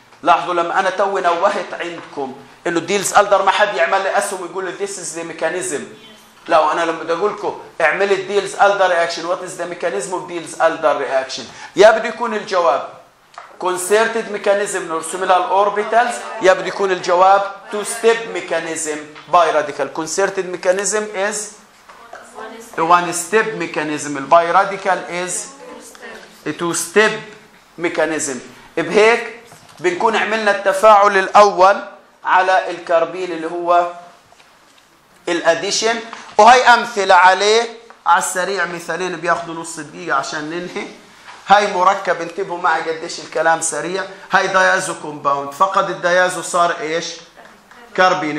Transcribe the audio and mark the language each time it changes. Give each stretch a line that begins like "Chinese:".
Arabic: لاحظوا لما انا توي نوهت عندكم انه ديلز الدر ما حد يعمل لي اسهم ويقول لي
English: This is the mechanism.
Arabic: لا, انا لما بدي اقول لكم اعمل الديلز الدر رياكشن,
English: what is the mechanism of Diels Alder reaction,
Arabic: يا بده يكون الجواب
English: concerted mechanism neuroseminal orbitals,
Arabic: يا بده يكون الجواب
English: two step mechanism bi radical. concerted mechanism is one step mechanism, bi radical is two step mechanism.
Arabic: بهيك بنكون عملنا التفاعل الاول على الكربين اللي هو الاديشن. وهي امثله عليه على السريع, مثالين بياخذوا نص دقيقه عشان ننهي. هاي مركب, انتبهوا معي قديش الكلام سريع. هاي دايازو كومباوند, فقد الدايازو صار ايش؟ كربين.